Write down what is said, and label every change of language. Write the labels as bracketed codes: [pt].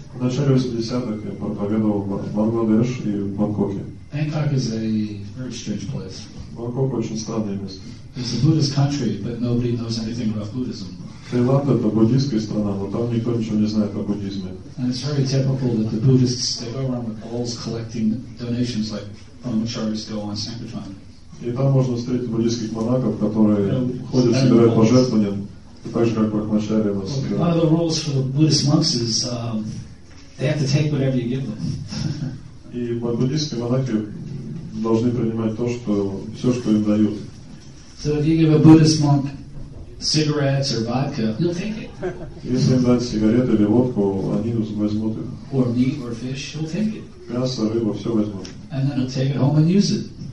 [ru] В начале 80-х я проповедовал в Бангладеш и в Бангкоке. [en] Bangkok is a very strange place. [ru] Бангкок очень странное место. [en] It's a Buddhist country, but nobody knows anything about Buddhism. [ru] Таиланд это буддийская страна, но там никто ничего не знает о буддизме. [en] And it's very typical that the Buddhists they go around with bowls collecting donations like Brahmacharis go on Sankirtan. [ru] И там можно встретить буддийских монахов, которые ходят собирать пожертвования, так же как Брахмачари. [en] One of the rules for the Buddhist monks is They have to take whatever you give them. [ru] И буддийские монахи должны принимать то, что все, что им дают. [en] So if you give a Buddhist monk cigarettes or vodka, he'll take it. [ru] Если им дать сигареты или водку, они возьмут их. [en] Or meat or fish, he'll take it. [ru] Мясо, рыба, все возьмут. [en] And then he'll take it home and use it.